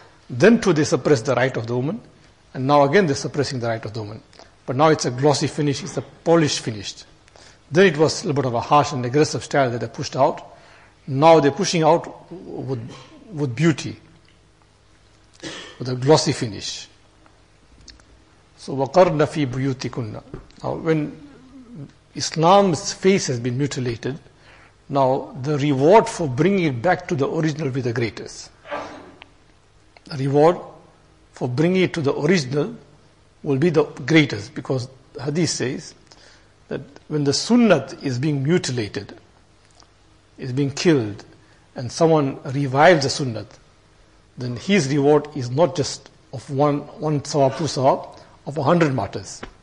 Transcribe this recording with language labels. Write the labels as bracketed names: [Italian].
[English] Then too, they suppressed the right of the woman, and now again they're suppressing the right of the woman. But now it's a glossy finish, it's a polished finish. Then it was a little bit of a harsh and aggressive style that they pushed out. Now they're pushing out with beauty, with a glossy finish. [Arabic] So, وَقَرْنَ فِي بُيُوتِكُنَّ. [English] Now, when Islam's face has been mutilated, now the reward for bringing it back to the original will be the greatest. The reward for bringing it to the original will be the greatest, because hadith says that when the sunnah is being mutilated, is being killed, and someone revives the sunnah, then his reward is not just of one sawab, two sawab, of 100 martyrs.